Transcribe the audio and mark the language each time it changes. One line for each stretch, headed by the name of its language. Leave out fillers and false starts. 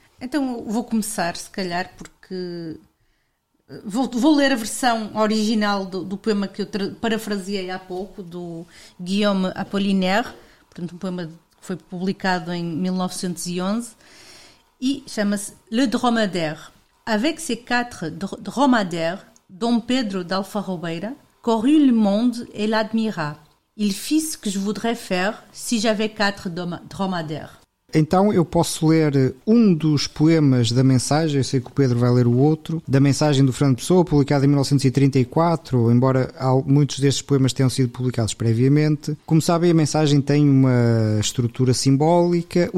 Portuguese: Então vou começar, se calhar, porque vou ler a versão original do poema que eu parafraseei há pouco, do Guillaume Apollinaire, portanto, um poema que foi publicado em 1911, e chama-se Le Dromadaire.
French: Avec ses quatre dromadaires, Dom Pedro d'Alfarrobeira courut le monde et l'admira. Il fit ce que je voudrais faire si j'avais quatre dromadaires.
Portuguese: Então eu posso ler um dos poemas da mensagem, eu sei que o Pedro vai ler o outro, da mensagem do Fernando Pessoa, publicada em 1934, embora muitos destes poemas tenham sido publicados previamente. Como sabem, a mensagem tem uma estrutura simbólica.